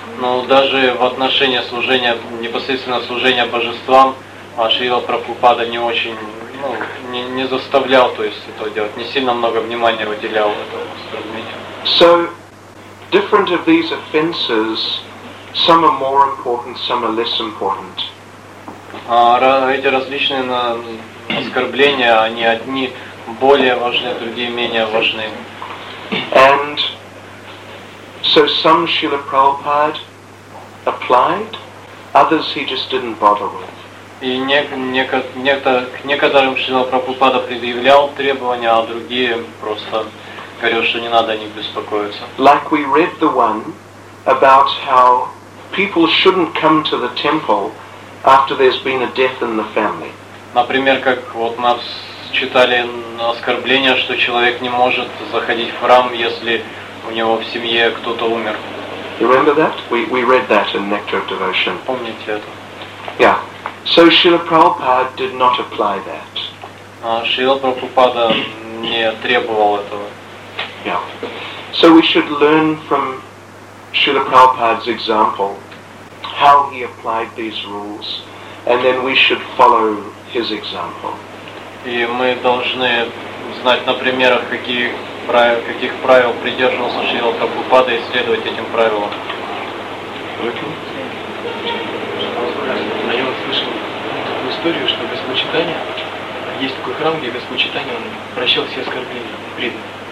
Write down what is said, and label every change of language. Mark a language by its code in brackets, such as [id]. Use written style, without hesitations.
[ru] Но даже в отношении служения, непосредственно служения божествам, Шрила Прабхупада не очень, ну, не заставлял, то есть, это делать, не сильно много внимания уделял этому. [en] So, different of these offenses, some are more important, some are less important. [ru] Эти различные оскорбления, они одни более важны, другие менее важны. [en] And so some Srila Prabhupada applied, others he just didn't bother with. [ru] И к некоторым Шрила Прабхупада предъявлял требования, а другие просто говорил, что не надо о них беспокоиться. [en] Like we read the one about how people shouldn't come to the temple after there's been a death in the family. [ru] Например, как вот нас читали оскорбление, что человек не может заходить в храм, если у него в семье кто-то умер. [en] Remember that? We read that in Nectar of Devotion. [ru] Помните это? [en] Yeah. So Srila Prabhupada did not apply that. [ru] Srila Prabhupada не требовал этого. [en] Yeah. So we should learn from Srila Prabhupada's example how he applied these rules, and then we should follow his example. [ru] И мы должны знать на примерах, каких правил придерживался Шрила Прабхупада и следовать этим правилам. А я вот слышал такую историю, что Господь Читания, есть такой храм, где Господь Читания, он прощал все оскорбления преданных.